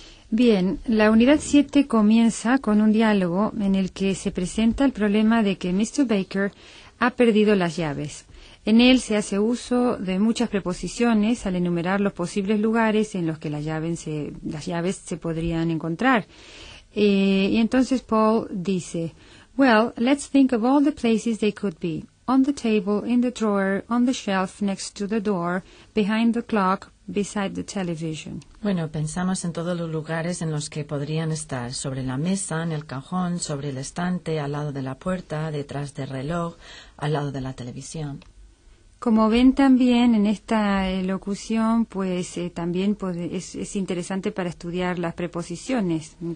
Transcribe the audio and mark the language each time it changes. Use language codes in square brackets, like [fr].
[es] Bien, la unidad 7 comienza con un diálogo en el que se presenta el problema de que Mr. Baker ha perdido las llaves. En él se hace uso de muchas preposiciones al enumerar los posibles lugares en los que las llaves se podrían encontrar. Y entonces Paul dice, [en] well, let's think of all the places they could be. on the table, in the drawer, on the shelf, next to the door, behind the clock, beside the television. [es] Bueno, pensamos en todos los lugares en los que podrían estar, sobre la mesa, en el cajón, sobre el estante, al lado de la puerta, detrás del reloj, al lado de la televisión. Como ven también en esta locución, pues también es interesante para estudiar las preposiciones.